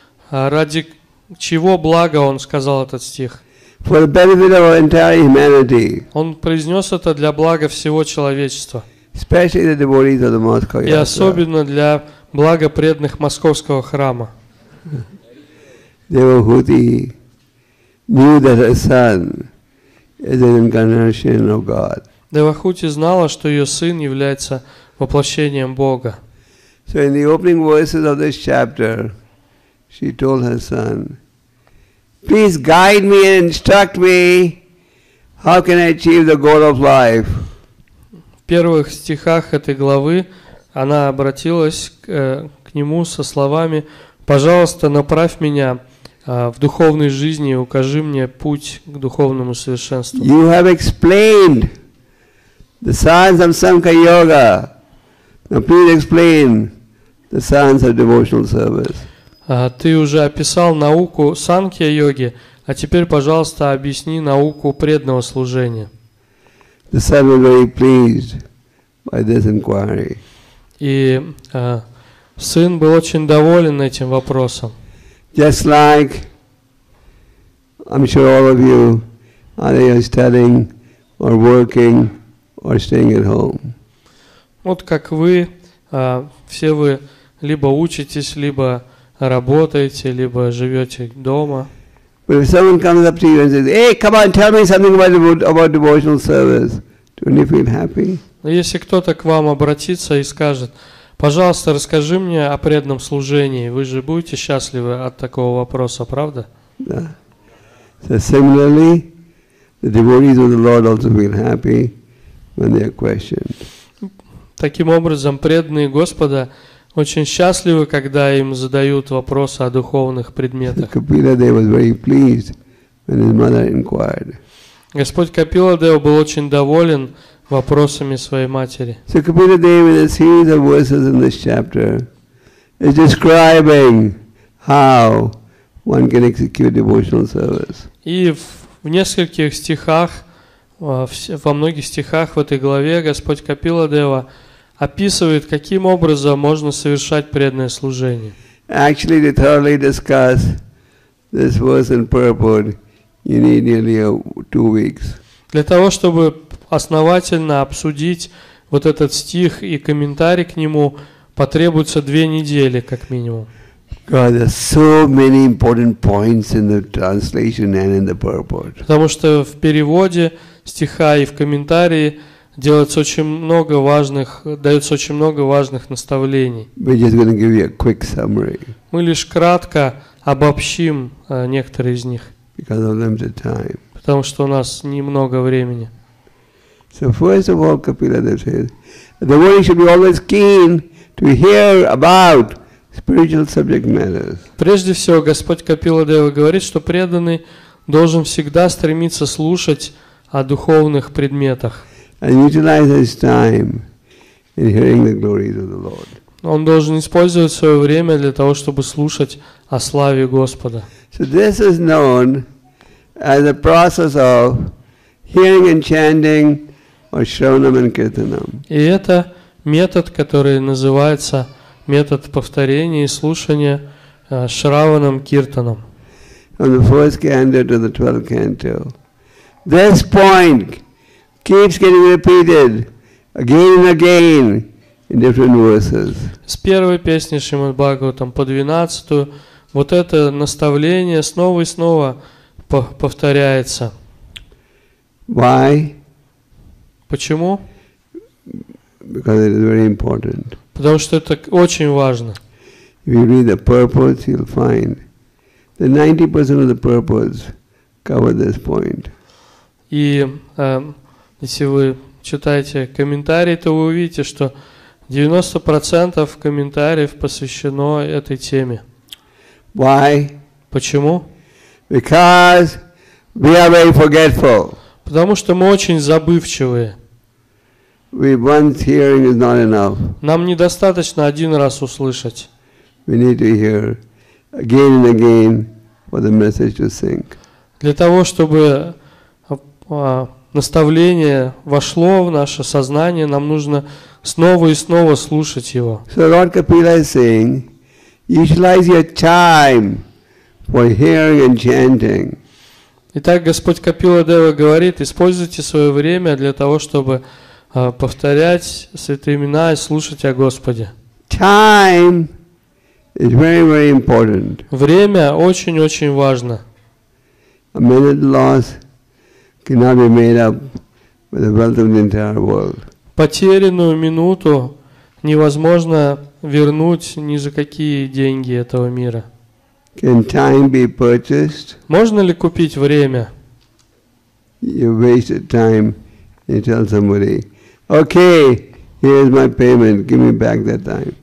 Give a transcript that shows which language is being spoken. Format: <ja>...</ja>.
<ru>Ради чего блага он сказал этот стих?</ru> <en>For the benefit of our entire humanity.</en> <ru>Он произнес это для блага всего человечества.</ru> <en>Especially the devotees of the Moscow.</en> <ru>И особенно для блага преданных Московского храма.</ru> <en>Devahuti knew that her son is an incarnation of God.</en> <ru>Девахути знала, что ее сын является воплощением Бога.</ru> <en>So in the opening verses of this chapter, she told her son, "Please guide me and instruct me. How can I achieve the goal of life?"</en> <ru>В первых стихах этой главы она обратилась к нему со словами: "Пожалуйста, направь меня в духовной жизни, укажи мне путь к духовному совершенству."</ru> <en>You have explained the science of Sankhya Yoga. Now please explain the science of devotional service.</en> <ru>Ты уже описал науку Санкхья-йоги, а теперь, пожалуйста, объясни науку преданного служения.</ru> <en>The son was very pleased by this inquiry.</en> <ru>И сын был очень доволен этим вопросом.</ru> <en>Just like, I'm sure all of you, either you're studying, or working, or staying at home.</en> <ru>Вот как вы, все вы либо учитесь, либо работаете, либо живете дома.</ru> <en>But if someone comes up to you and says, "Hey, come on, tell me something about devotional service," don't you feel happy?</en> <ru>Но если кто-то к вам обратится и скажет, пожалуйста, расскажи мне о преданном служении, вы же будете счастливы от такого вопроса, правда? Да.</ru> <en>So similarly, the devotees of the Lord also feel happy when they are questioned.</en> <ru>Таким образом, преданные Господа очень счастливы, когда им задают вопросы о духовных предметах.</ru> <en>Kapila Dev was very pleased when his mother inquired.</en> <ru>Господь Капила Дева был очень доволен вопросами своей матери.</ru> <en>So Kapila Dev, in a series of verses in this chapter, is describing how one can execute devotional service.</en> <ru>И в нескольких стихах, во многих стихах в этой главе Господь Капила Дева описывает, каким образом можно совершать преданное служение.</ru> <en>Actually, to thoroughly discuss this verse in purport, you need nearly 2 weeks.</en> <ru>Для того, чтобы основательно обсудить вот этот стих и комментарий к нему, потребуется 2 недели, как минимум.</ru> <en>God, there are so many important points in the translation and in the purport.</en> <ru>Потому что в переводе стиха и в комментарии делается очень много важных, дается очень много важных наставлений.</ru> <en>We're just going to give you a quick summary.</en> <ru>Мы лишь кратко обобщим некоторые из них.</ru> <en>Because of limited time.</en> <ru>Потому что у нас немного времени.</ru> <en>So first of all, Kapila Dev says, the devotee should be always keen to hear about spiritual subject matters.</en> <ru>Прежде всего, Господь Капила Дева говорит, что преданный должен всегда стремиться слушать о духовных предметах.</ru> <en>And utilize his time in hearing the glories of the Lord.</en> <ru>Он должен использовать свое время для того, чтобы слушать о славе Господа.</ru> <en>So this is known as the process of hearing and chanting or shravanam and kirtanam.</en> <ru>И это метод, который называется метод повторения и слушания шраванам киртанам.</ru> <en>From the first canto to the 12th canto, this point keeps getting repeated again and again in different verses.</en> <ru>С первой песни Шримад Бхагаватам по 12-ю вот это наставление снова и снова повторяется.</ru> <en>Why?</en> <ru>Почему?</ru> <en>Because it is very important.</en> <ru>Потому что это очень важно.</ru> <en>If you read the purports, you'll find that 90% of the purports cover this point.</en> <ru>И если вы читаете комментарии, то вы увидите, что 90% комментариев посвящено этой теме.</ru> <en>Why?</en> <ru>Почему?</ru> <en>Because we are very forgetful.</en> <ru>Потому что мы очень забывчивые.</ru> <en>We once hearing is not enough.</en> <ru>Нам недостаточно один раз услышать.</ru> <en>We need to hear again and again for the message to sink.</en> <ru>Для того, чтобы наставление вошло в наше сознание, нам нужно снова и снова слушать его.</ru> <en>So Lord Kapila is saying, utilize your time for hearing and chanting.</en> <ru>Итак, Господь Капила Дева говорит, используйте свое время для того, чтобы повторять святые имена и слушать о Господе.</ru> <en>Time is very, very important.</en> <ru>Время очень-очень важно.</ru> <en>A minute lost cannot be made up with the wealth of the entire world.</en> <ru>Потерянную минуту невозможно вернуть ни за какие деньги этого мира.</ru> <en>Can time be purchased?</en> <ru>Можно ли купить время?</ru> <en>You wasted time. You tell somebody, "Okay, here's my payment. Give me back that time."</en>